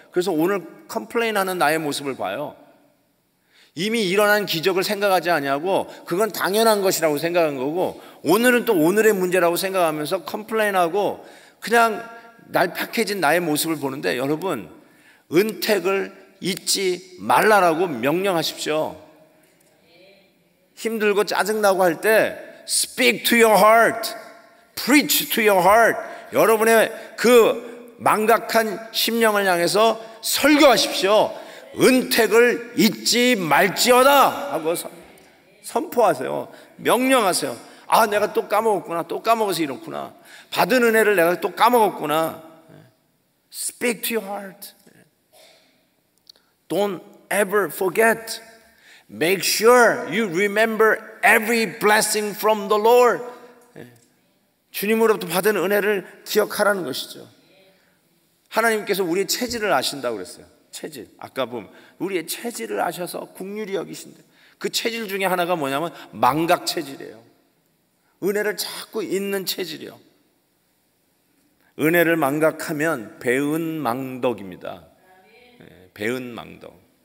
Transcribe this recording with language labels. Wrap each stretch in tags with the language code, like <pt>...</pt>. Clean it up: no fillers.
<ko>그래서 오늘 컴플레인하는 나의 모습을 봐요. 이미 일어난 기적을 생각하지 않냐고, 그건 당연한 것이라고 생각한 거고, 오늘은 또 오늘의 문제라고 생각하면서 컴플레인하고 그냥 날팍해진 나의 모습을 보는데, 여러분 은택을 잊지 말라라고 명령하십시오. 힘들고 짜증나고 할 때</ko> <en>speak to your heart, preach to your heart.</en> <ko>여러분의 그 망각한 심령을 향해서 설교하십시오. 은택을 잊지 말지어다 하고 선포하세요. 명령하세요. 아, 내가 또 까먹었구나. 또 까먹어서 이렇구나. 받은 은혜를 내가 또 까먹었구나.</ko> <en>Speak to your heart. Don't ever forget. Make sure you remember every blessing from the Lord.</en> <ko>주님으로부터 받은 은혜를 기억하라는 것이죠. 하나님께서 우리의 체질을 아신다고 그랬어요. 체질. 아까 봄. 우리의 체질을 아셔서 긍휼히 여기신데. 그 체질 중에 하나가 뭐냐면 망각 체질이에요. 은혜를 자꾸 잊는 체질이요. 은혜를 망각하면 배은 망덕입니다. 배은 망덕.</ko>